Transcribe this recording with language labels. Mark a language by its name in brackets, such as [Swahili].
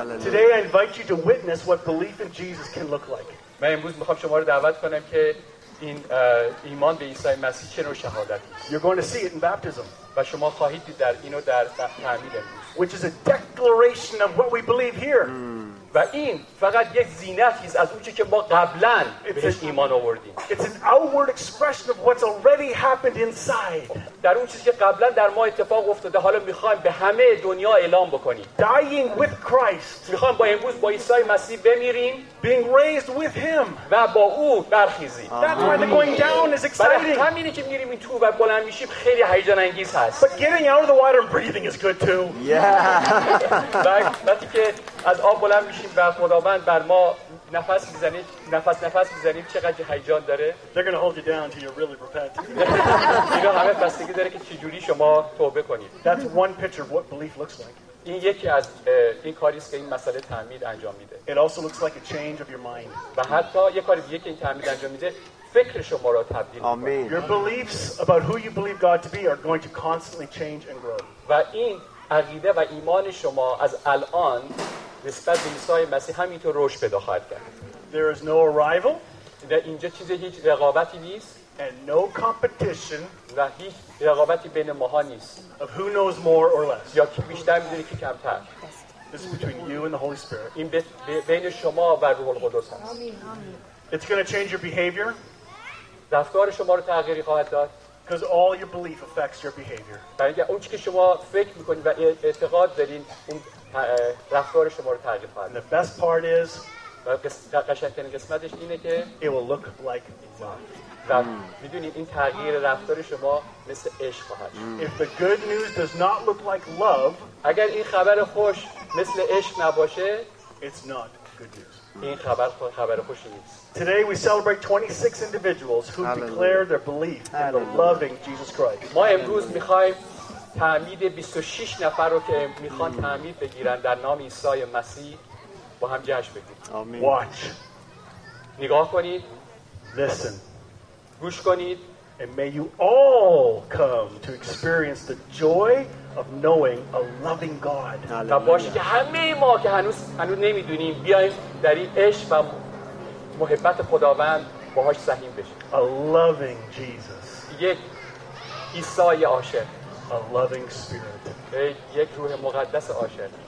[English] Today I invite you to witness what belief in Jesus can look like. [Persian] من امروز میخوام شما رو دعوت کنم که این ایمان به عیسی مسیح چه نوع شهادتی است. [English] You're going to see it in baptism. [Persian] و شما خواهید دید در اینو در تعمید امروز. [English] Which is a declaration of what we believe here. [Persian] و این فقط یک زینتی است از اونچه که ما قبلا بهش ایمان آوردیم. [English] It's an outward expression of what's already happened inside. [Persian] در اون چیزی که قبلا در ما اتفاق افتاده حالا میخوایم به همه دنیا اعلام بکنیم. [English] Dying with Christ. [Persian] میخوایم با امروز با عیسی مسیح بمیریم. [English] Being raised with him. [Persian] و با او برخیزیم. [English] That's why the going down is exciting. [Persian] برای همینه که میریم این تو و بلند میشیم خیلی هیجان انگیز هست. [English] But getting out of the water and breathing is good too. Yeah. [Persian] وقتی که از آب بلند میشیم و خداوند بر ما نفس میزنیم چقدر هیجان داره. [English] They're going to hold you down until you really repent. [Persian] اینا همه بستگی داره که چجوری شما توبه کنید. [English] That's one picture of what belief looks like. [Persian] این یکی از این کاری است که این مسئله تعمید انجام میده. [English] It also looks like a change of your mind. [Persian] و حتی یک کاری دیگه که این تعمید انجام میده فکر شما را تبدیل میکنه. [English] Your beliefs about who you believe God to be are going to constantly change and grow. [Persian] و این عقیده و ایمان شما از الان نسبت به عیسی مسیح همینطور رشد پیدا خواهد کرد. [English] There is no arrival. [Persian] در اینجا چیزی هیچ رقابتی نیست. [English] And no competition. [Persian] و هیچ رقابتی بین ماها نیست. [English] Of who knows more or less. [Persian] یا کی بیشتر می‌دونه کی کمتر. [English] This is between you and the Holy Spirit. [Persian] این بین شما و روح القدس هست. [English] It's going to change your behavior. [Persian] رفتار شما رو تغییری خواهد داد. [English] Because all your belief affects your behavior. [Persian] برای اینکه اون چیزی که شما فکر می‌کنید و اعتقاد دارین اون رفتار شما رو تغییر خواهد داد. [English] The best part is. [Persian] و قشنگترین قسمتش اینه که [English] It will look like God. [Persian] می‌دونید این تغییر رفتار شما مثل عشق خواهد شد. [English] If the good news does not look like love, [Persian] اگر این خبر خوش مثل عشق نباشه, [English] it's not good news. [Persian] این خبر خوشی نیست. [English] Today we celebrate 26 individuals who declare their belief in the loving Jesus Christ. [Persian] ما امروز می‌خوایم تعمید 26 نفر رو که می‌خوان تعمید بگیرن در نام عیسی مسیح با هم جشن بگیریم. آمین. [English] Watch. [Persian] نگاه کنید. [English] Listen. [Persian] گوش کنید. [English] And may you all come to experience the joy of knowing a loving God. [Persian] تا باشی که همه ما که هنوز نمیدونیم بیاییم در این عشق و محبت خداوند باهاش سهیم بشیم. [English] A loving Jesus. [Persian] یک عیسی عاشق. [English] A loving Spirit. [Persian] یک روح مقدس عاشق.